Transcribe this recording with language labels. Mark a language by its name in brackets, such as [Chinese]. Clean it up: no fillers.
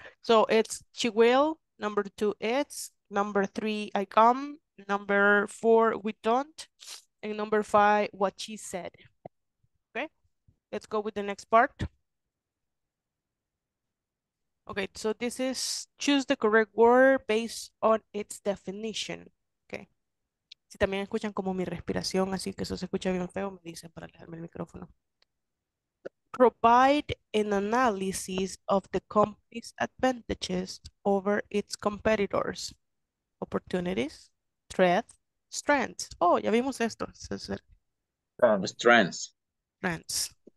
[English] So it's she will, number two it's, number three I come, number four we don't, and number five what she said. Okay, let's go with the next part. Okay, so this is choose the correct word based on its definition. [Spanish] Si también escuchan como mi respiración, así que eso se escucha bien feo, me dicen para alejarme el micrófono. [English] Provide an analysis of the company's advantages over its competitors. Opportunities, threats, strengths. Oh, [Spanish] ya vimos esto. [English] Strengths.